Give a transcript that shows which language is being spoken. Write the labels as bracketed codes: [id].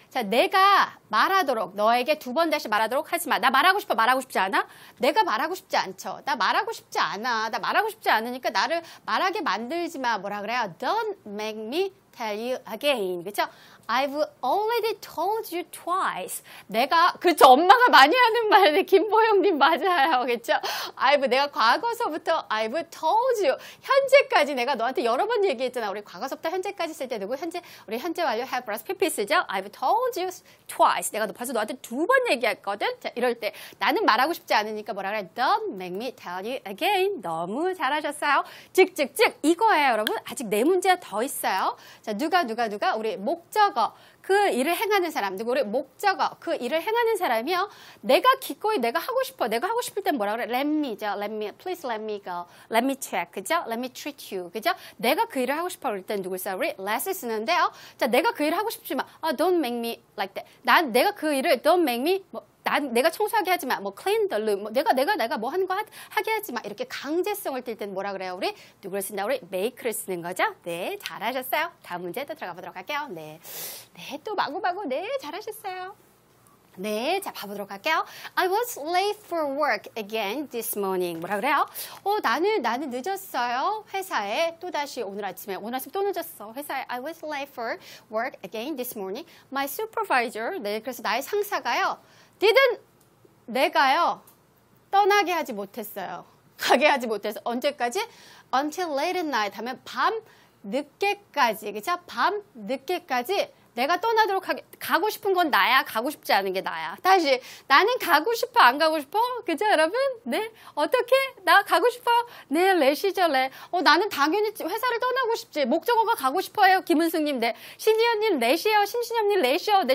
[ko] 자, 내가 말하도록 너에게 두 번 다시 말하도록 하지 마. 나 말하고 싶어. 말하고 싶지 않아? 내가 말하고 싶지 않죠. 나 말하고 싶지 않아. 나 말하고 싶지 않으니까 나를 말하게 만들지 마. 뭐라 그래요? [en] Don't make me tell you again. [ko] 그쵸? [en] I've already told you twice. [ko] 내가 그쵸? 엄마가 많이 하는 말인데 김보영님 맞아요. 그쵸? I've 내가 과거서부터 [en] I've told you [ko] 현재까지 내가 너한테 여러 번 얘기했잖아. 우리 과거서부터 현재까지 쓸 때 누구 현재 우리 현재 완료 have plus PP 쓰죠? [en] I've told you twice. [ko] 내가 벌써 너한테 두 번 얘기했거든. 자, 이럴 때 나는 말하고 싶지 않으니까 뭐라 그래? [en] Don't make me tell you again. [ko] 너무 잘하셨어요. 즉 이거예요, 여러분. 아직 네 문제 더 있어요. 자, 누가 우리 목자 목적어, 그 일을 행하는 사람, 누구 우리 목적어, 그 일을 행하는 사람이요. 내가 기꺼이 내가 하고 싶어. 내가 하고 싶을 땐 뭐라 그래? [en] Let me죠. Let me, please let me go. Let me check, 그죠? Let me treat you, 그죠? [ko] 내가 그 일을 하고 싶어 그럴 땐 누굴 써? 우리 let's 쓰는데요. 자, 내가 그 일을 하고 싶지만, [en] don't make me like that. [ko] 난 내가 그 일을 [en] don't make me [ko] 뭐, 난 내가 청소하게 하지 마. [en] 뭐 clean the room. [ko] 뭐 내가 뭐 하는 거 하게 하지 마. 이렇게 강제성을 띌 때는 뭐라 그래요? 우리 누구를 쓴다? 우리 make를 쓰는 거죠. 네, 잘하셨어요. 다음 문제 또 들어가 보도록 할게요. 네, 네 또 마구마구 네 잘하셨어요. 네, 자 봐보도록 할게요. [en] I was late for work again this morning. [ko] 뭐라 그래요? 나는 늦었어요. 회사에 또다시 오늘 아침 또 늦었어. [en] 회사에 I was late for work again this morning. My supervisor, [ko] 네, 그래서 나의 상사가요. Didn't 내가요 떠나게 하지 못했어요. 가게 하지 못해서 언제까지? [en] Until late at night [ko] 하면 밤 늦게까지. 그렇죠? 밤 늦게까지 내가 떠나도록 가고 싶은 건 나야. 가고 싶지 않은 게 나야. 다시 나는 가고 싶어? 안 가고 싶어? 그죠 여러분? 네? 어떻게? 나 가고 싶어요? 네, 렛이죠 렛. 나는 당연히 회사를 떠나고 싶지. 목적어가 가고 싶어요. 김은숙님. 네. 신지연님 렛이요. 신신영님 렛이요. 네.